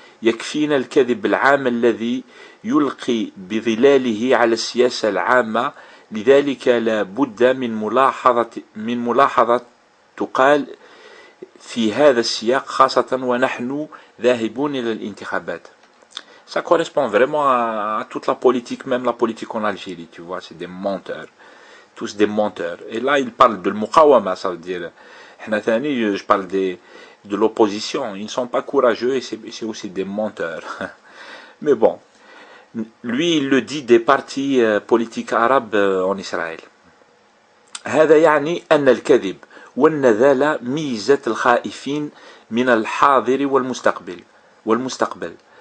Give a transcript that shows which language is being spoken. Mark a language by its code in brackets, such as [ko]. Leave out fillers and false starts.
[ar] يكفينا الكذب العام الذي يلقي بظلاله على السياسة العامة، لذلك لا بد من ملاحظة تقال في هذا السياق، خاصة ونحن ذاهبون إلى الانتخابات. [fr] Ça correspond vraiment à toute la politique, même la politique en Algérie, tu vois, c'est des menteurs, tous des menteurs. Et là, il parle de l'muqawama, ça veut dire, je parle de l'opposition, ils ne sont pas courageux et c'est aussi des menteurs. Mais bon, lui, il le dit des partis politiques arabes en Israël. [ar] هذا يعني أن الكذب والنذالة ميزة الخائفين من الحاضر والمستقبل.